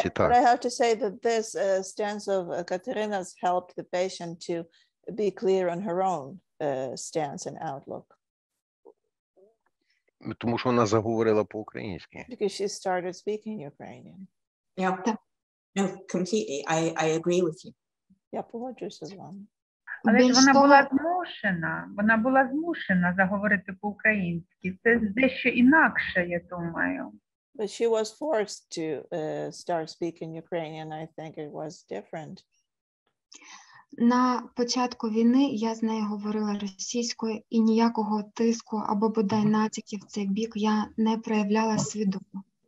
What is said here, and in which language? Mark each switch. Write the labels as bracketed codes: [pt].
[en] But I have to say that this stance of Katerina's helped the patient to be clear on her own stance and outlook. [uk] Тому що вона заговорила по-українськи. [en] Because she started speaking Ukrainian. Yep. No, completely. I agree with you. [uk] Я погоджуюся з вами. Але ж вона була змушена. Вона була змушена заговорити по-українськи. Це дещо інакше, я думаю. [en] But she was forced to start speaking Ukrainian. I think it was different. [uk] На початку війни я з нею говорила російською, і ніякого тиску або бодай натяків в цей бік я не проявляла свідомо.